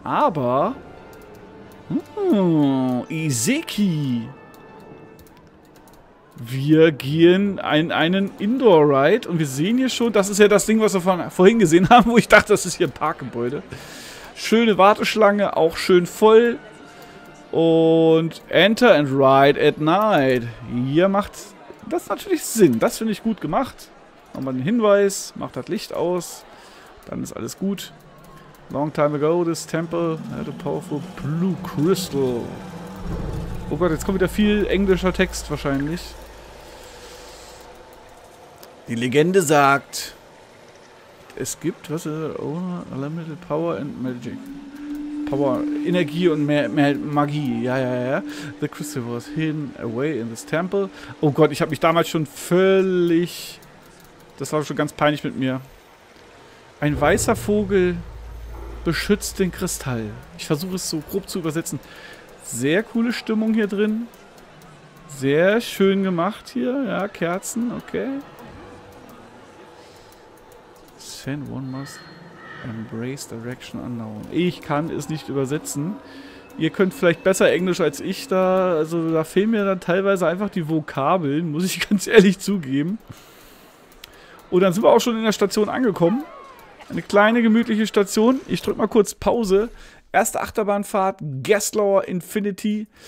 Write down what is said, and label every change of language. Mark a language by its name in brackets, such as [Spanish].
[German] Aber Iseki. Wir gehen einen Indoor-Ride. Und wir sehen hier schon, das ist ja das Ding, was wir vorhin gesehen haben, wo ich dachte, das ist hier ein Parkgebäude. Schöne Warteschlange, auch schön voll. [English] Und Enter and Ride at Night. [German] Hier macht das natürlich Sinn. Das finde ich gut gemacht. Nochmal den Hinweis, macht das Licht aus. Dann ist alles gut. [English] Long time ago, this temple had a powerful blue crystal. [German] Oh Gott, jetzt kommt wieder viel englischer Text wahrscheinlich. Die Legende sagt, es gibt, was ist das? [English] Oh, unlimited power and magic. [German] Power, Energie und mehr Magie. Ja, ja, ja. [English] The crystal was hidden away in this temple. [German] Oh Gott, ich habe mich damals schon völlig... Das war schon ganz peinlich mit mir. Ein weißer Vogel beschützt den Kristall. Ich versuche es so grob zu übersetzen. Sehr coole Stimmung hier drin. Sehr schön gemacht hier. Ja, Kerzen, okay. [English] Send one must embrace direction unknown. [German] Ich kann es nicht übersetzen. Ihr könnt vielleicht besser Englisch als ich da. Also da fehlen mir dann teilweise einfach die Vokabeln, muss ich ganz ehrlich zugeben. Und dann sind wir auch schon in der Station angekommen. Eine kleine gemütliche Station. Ich drück mal kurz Pause. Erste Achterbahnfahrt, Guestlauer Infinity.